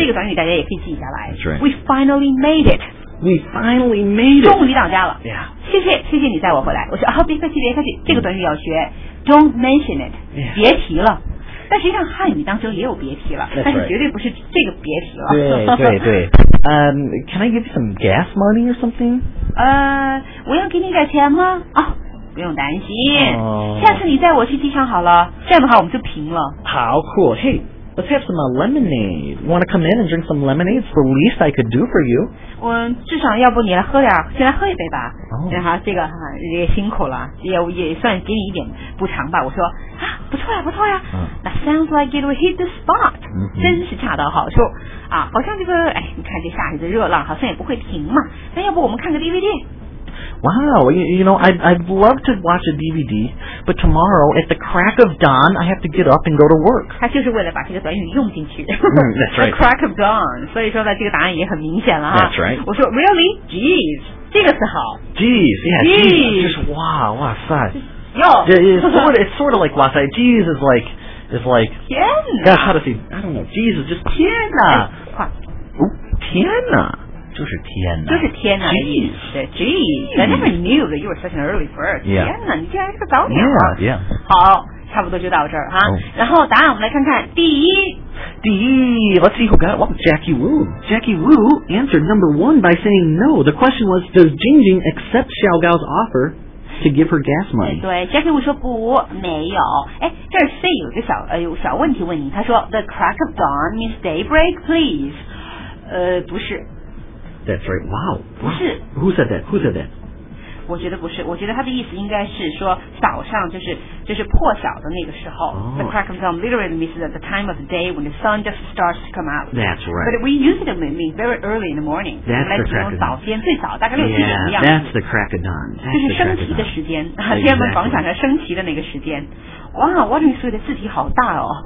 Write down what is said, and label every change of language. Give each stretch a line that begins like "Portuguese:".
Chinese: 这个短语大家也可以记下来。
English: That's right. We finally made it. We finally made it.
Chinese: 终于到家了。
English: Yeah.
Chinese: 谢谢，谢谢你带我回来。我说，啊，别客气，别客气，这个短语要学。
English: Don't mention it. Yeah.
Chinese: 别提了。但实际上汉语当中也有别提了、
English: right.
Chinese: 但是绝对不是这个别提了。对对对。
English: Can I give you some gas money or something?
Chinese: 我要给你点钱吗？啊、
English: oh,
Chinese: 不用担心。下次你带我去机场好了，这样的话我们就平了。好酷。
English: Hey, let's have some lemonade. Want to come in and drink some lemonade? It's the least I could do for you.
Chinese: 至少要不你来喝点，先来喝一杯吧。哦、 oh. ，这个也辛苦了，也算给你一点补偿吧。我说啊，不错呀，不错呀。嗯、
English: That sounds like it will hit the spot.、
Chinese: 嗯、真是恰到好处啊！好像这个，哎，你看这夏日的热浪好像也不会停嘛。那要不我们看个 DVD？
English: Wow, you know, I'd love to watch a DVD, but tomorrow at the crack of dawn, I have to get up and go to work.
Chinese: 他就是为了把这个短语用进去。
English: That's right. The crack of dawn.
Chinese: 所以说呢，这个答案也很明显了哈。
English: That's right.
Chinese: 我说
English: really, jeez.
Chinese: 这个词好
English: ，Jeez， yeah， Jeez，
Chinese: 就是哇，哇塞，哟
English: ，it's sort of like 哇塞 ，Jeez is like，
Chinese: 天哪
English: ，God， how to say， I don't know， Jeez is just
Chinese: 天哪，哇，哦，天哪，就是天哪，就是天哪
English: ，Jeez， I never knew that you were such an early bird，
Chinese: 天哪，你竟然是个早鸟
English: ，Yeah，
Chinese: 好，差不多就到这儿哈，然后答案我们来看看，第一。第一
English: let's see who got it. Well, Jackie Wu. Jackie Wu answered number one by saying no. The question was, does Jing Jing accept Xiao Gao's offer to give her gas money?
Chinese: 对 Jackie Wu 说不，没有。哎，这儿 C 有个小有小问题问你。他说 ，
English: The crack of dawn means daybreak, please.
Chinese: 不是。
English: That's right. Wow.
Chinese: 不是。
English: Who said that? Who said that?
Chinese: 我觉得不是。我觉得他的意思应该是说早上就是。就是破晓的那个时候、
English: oh. The crack of dawn literally means that the time of the day when the sun just starts to come out. That's right. But we use it to mean very early in the morning. That's the crack of dawn.
Chinese: 早先最早大概六七点的样子
English: yeah, that's the crack of dawn.
Chinese: 就是升旗的时间天安门广场上升旗的那个时间哇 Watering Sweet 的字体好大哦